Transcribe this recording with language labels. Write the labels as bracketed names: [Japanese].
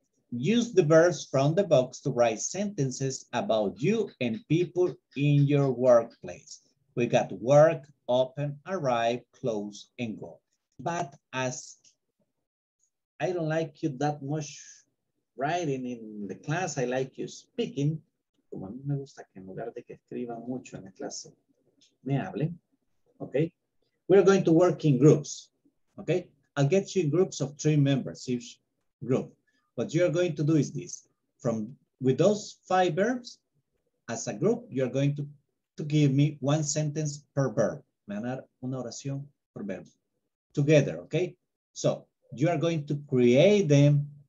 [English] Use the verbs from the box to write sentences about you and people in your workplace. We got work, open, arrive, close, and go. But as I don't like you that much writing in the class, I like you speaking. [Spanish] Como a mí me gusta que en lugar de que escriba mucho en la clase, me hable. [English] Okay. We're going to work in groups. Okay. I'll get you in groups of 3 members each group. What you're going to do is this. With those 5 verbs, as a group, you're going to give me 1 sentence per verb. [Spanish] Me van a dar una oración por verbo. [English] Together, okay? So you are going to create them